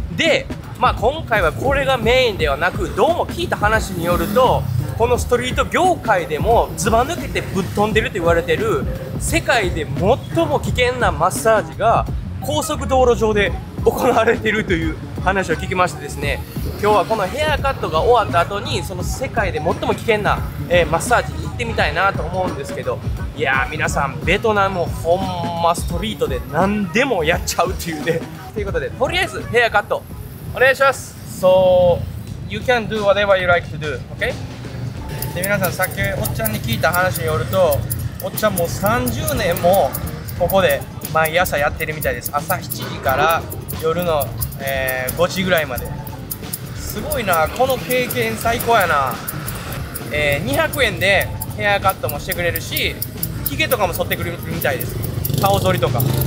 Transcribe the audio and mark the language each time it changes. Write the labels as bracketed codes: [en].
[ja] で、まあ、今回はこれがメインではなく、どうも聞いた話によると、このストリート業界でもずば抜けてぶっ飛んでると言われてる世界で最も危険なマッサージが高速道路上で行われているという話を聞きましてですね、今日はこのヘアカットが終わった後に、その世界で最も危険な、マッサージに行ってみたいなと思うんですけど、いやー、皆さん、ベトナムほんまストリートで何でもやっちゃうっていうねということで、とりあえずヘアカットお願いします。 [en] So you can do whatever you like to do, OK? [ja] で、皆さん、さっきおっちゃんに聞いた話によると、おっちゃんもう30年もここで毎朝やってるみたいです。朝7時から夜の、5時ぐらいまで。すごいな、この経験最高やな。200円でヘアカットもしてくれるし、ヒゲとかも剃ってくれるみたいです。顔剃りとか。